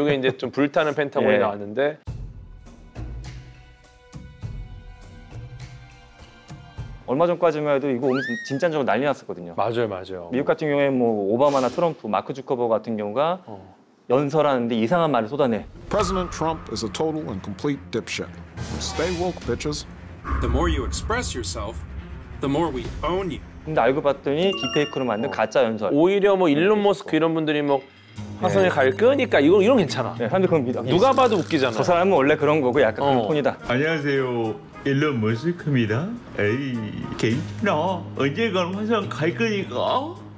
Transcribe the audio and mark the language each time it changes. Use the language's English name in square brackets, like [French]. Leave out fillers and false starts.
[Korean] 이게 이제 좀 불타는 펜타곤이 예. 나왔는데 얼마 전까지만 해도 이거 진짜적으로 난리 났었거든요. 맞아요, 맞아요. 미국 같은 경우에 뭐 오바마나 트럼프, 마크 주커버 같은 경우가 연설하는데 이상한 말을 쏟아내. [English] President Trump is a total and complete dipshit. Stay woke, bitches. The more you express yourself, the more we own you. [Korean] 근데 알고 봤더니 딥페이크로 만든 가짜 연설. 오히려 뭐 일론 머스크 이런 분들이 뭐 화성에 갈 거니까 이런 괜찮아. 네, 사람들 그건 믿어. 누가 봐도 웃기잖아. 저 사람은 원래 그런 거고 약간 그런 톤이다. 안녕하세요. 일론 머스크입니다. 에이, 개인아, 언제 그럼 화성 갈 거니까?